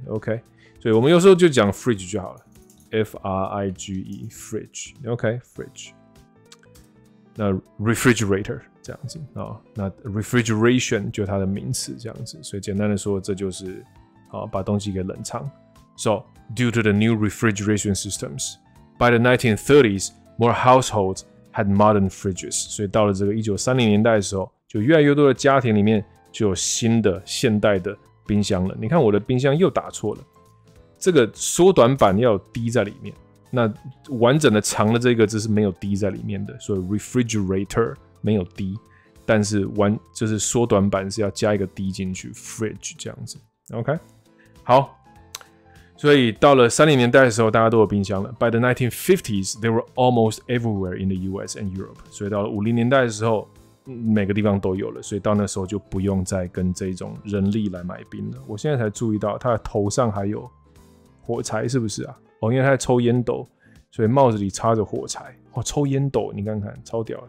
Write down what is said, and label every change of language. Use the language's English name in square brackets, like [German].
[Chinese] OK， 所以我们有时候就讲 fridge 就好了 ，F-R-I-G-E fridge。OK， fridge。那 refrigerator 这样子啊、哦，那 refrigeration 就是它的名词这样子。所以简单的说，这就是啊、哦，把东西给冷藏。 [English] So due to the new refrigeration systems, by the 1930s, more households had modern fridges. [Chinese] 所以到了这个1930年代的时候，就越来越多的家庭里面就有新的现代的冰箱了。你看我的冰箱又打错了，这个缩短版要有 D 在里面，那完整的长的这个这是没有 D 在里面的，所以 refrigerator 没有 D， 但是完就是缩短版是要加一个 D 进去 ，fridge 这样子。 OK， 好。所以到了30年代的时候，大家都有冰箱了。 [English] By the 1950s, they were almost everywhere in the US and Europe. [Chinese] 所以到了50年代的时候，每个地方都有了。所以到那时候就不用再跟这种人力来买冰了。我现在才注意到他的头上还有火柴，是不是啊？哦，因为他在抽烟斗，所以帽子里插着火柴。哦，抽烟斗，你看看，超屌。